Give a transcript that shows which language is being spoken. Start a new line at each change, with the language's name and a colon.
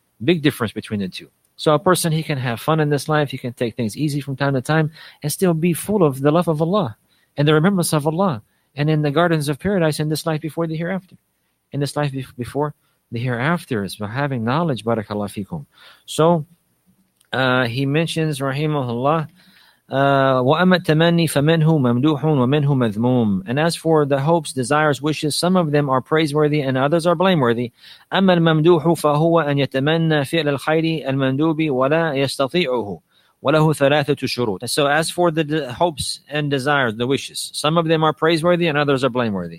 English: Big difference between the two. So a person, he can have fun in this life, he can take things easy from time to time, and still be full of the love of Allah and the remembrance of Allah, and in the gardens of paradise in this life before the hereafter. In this life before the hereafter is by having knowledge, barakallahu fikum. So he mentions, rahimahullah,
Arabic: وَأَمَّا التَّمَنِّي فَمِنْهُ مَمْدُوحٌ وَمِنْهُ مَذْمُومٌ.
English: And as for the hopes, desires, wishes, some of them are praiseworthy and others are blameworthy.
Arabic: أَمَّا الْمَمْدُوحُ فَهُوَ أَنْ يَتَمَنَّ فِعْلَ الْخَيْرِ الْمَنْدُوبِ وَلَا يَسْتَطِيعُهُ وله ثلاثة شروط.
English: So as for the hopes and desires, the wishes, some of them are praiseworthy and others are blameworthy.